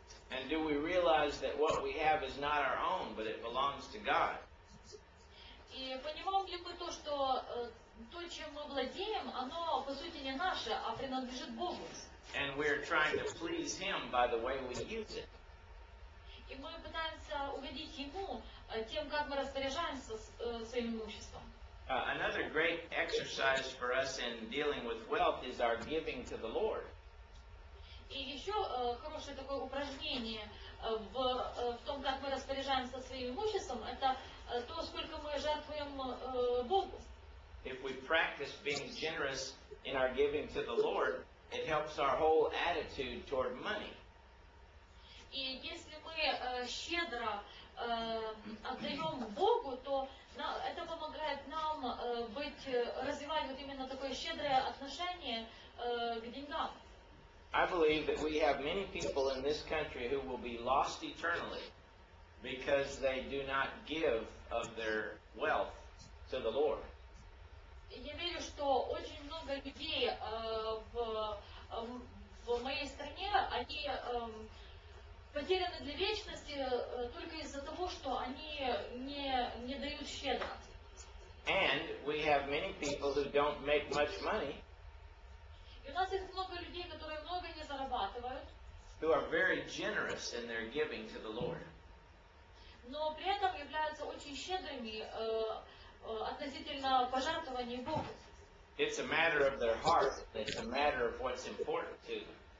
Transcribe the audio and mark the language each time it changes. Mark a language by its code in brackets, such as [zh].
[en] And do we realize that what we have is not our own, but it belongs to God? [ru] И понимаем ли мы то, что то, чем мы владеем, оно по сути не наше, а принадлежит Богу. [en] And we're trying to please Him by the way we use it. [ru] И мы пытаемся угодить Ему тем, как мы распоряжаемся своим имуществом. [en] Another great exercise for us in dealing with wealth is our giving to the Lord. [ru] И еще хорошее такое упражнение в том, как мы распоряжаемся своим имуществом, это то, сколько мы жертвуем Богу. [en] If we practice being generous in our giving to the Lord, it helps our whole attitude toward money. [ru] И если мы щедро отдаем Богу, то это помогает нам развивать вот именно такое щедрое отношение к деньгам. [en] I believe that we have many people in this country who will be lost eternally because they do not give of their wealth to the Lord. [ru] Я верю, что очень много людей в моей стране, они потеряны для вечности только из-за того, что они не дают щедро. [en] And we have many people who don't make much money. [ru] И у нас есть много людей, которые много не зарабатывают. [en] Who are very generous in their giving to the Lord. [ru] Но при этом являются очень щедрыми относительно пожертвований Богу. [en] It's a matter of their heart. It's a matter of what's important to them.